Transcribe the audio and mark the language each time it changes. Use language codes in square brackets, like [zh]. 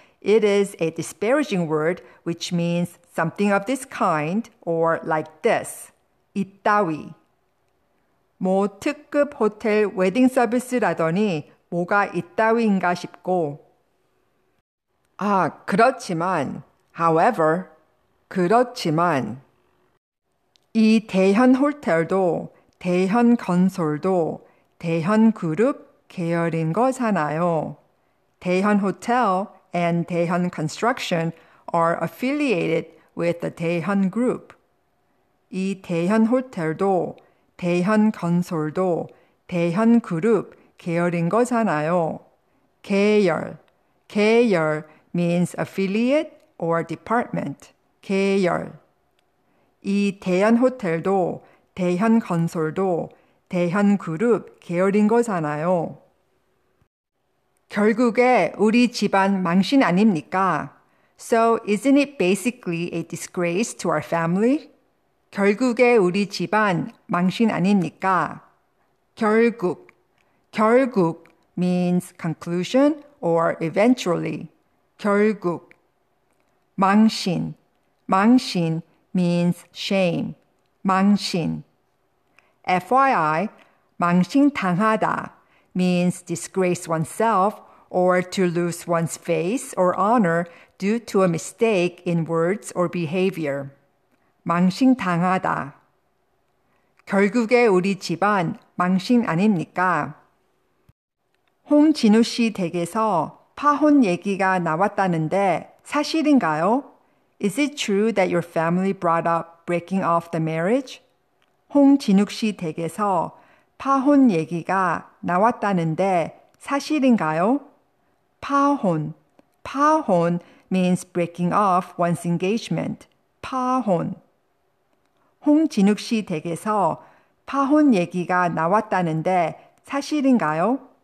[en] It is a disparaging word which means something of this kind or like this. [ko] 이따위. 뭐 특급 호텔 웨딩 서비스라더니 뭐가 이따위인가 싶고. 아, 그렇지만, however, 그렇지만, 이 대현 호텔도 대현 건설도 대현 그룹 계열인 거잖아요. [en] 대현 호텔 and 대현 construction are affiliated with the 대현 group. [ko] 이 대현 호텔도 대현 건설도 대현 그룹 계열인 거잖아요. [en] 계열. 계열 means affiliate or department. 계열. [ko] 이 대현 호텔도 대현 건설도 대현 그룹 계열인 거잖아요. 결국에 우리 집안 망신 아닙니까? [en] So isn't it basically a disgrace to our family? [ko] 결국에 우리 집안 망신 아닙니까? [en] 결국. 결국 means conclusion or eventually. 결국. 망신. 망신 means shame. 망신. FYI, 망신당하다 means disgrace oneself or to lose one's face or honor due to a mistake in words or behavior. [ko] 망신당하다. 결국에 우리 집안 망신 아닙니까? 홍진우 씨 댁에서 파혼 얘기가 나왔다는데 사실인가요? [en] Is it true that your family brought up breaking off the marriage? [ko] 홍진욱 씨 댁에서 파혼 얘기가 나왔다는데 사실인가요? [en] 파혼. 파혼 means breaking off one's engagement. 파혼. [ko] 홍진욱 씨 댁에서 파혼 얘기가 나왔다는데 사실인가요?